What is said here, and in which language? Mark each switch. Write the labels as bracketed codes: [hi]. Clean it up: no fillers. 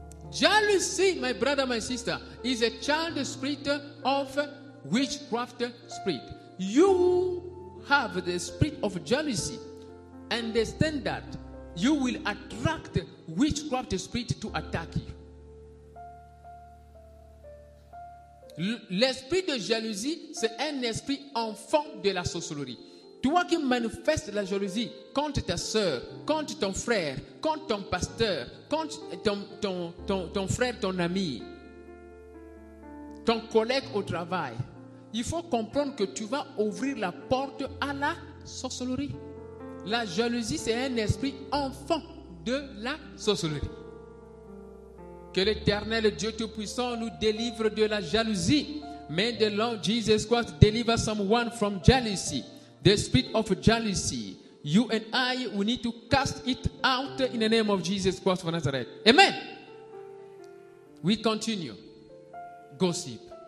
[en] Jealousy, my brother, my sister, is a child spirit of witchcraft spirit. You have the spirit of jealousy. Understand that you will attract witchcraft spirit to attack you. [fr] L'esprit de jalousie, c'est un esprit enfant de la sorcellerie. Toi qui manifestes la jalousie contre ta soeur, contre ton frère, contre ton pasteur, contre ton frère, ton ami, ton collègue au travail, il faut comprendre que tu vas ouvrir la porte à la sorcellerie. La jalousie, c'est un esprit enfant de la sorcellerie. Que l'éternel Dieu Tout-Puissant nous délivre de la jalousie. [en] May the Lord Jesus Christ deliver someone from jealousy. The spirit of jealousy. You and I, we need to cast it out in the name of Jesus Christ of Nazareth. Amen. We continue. Gossip.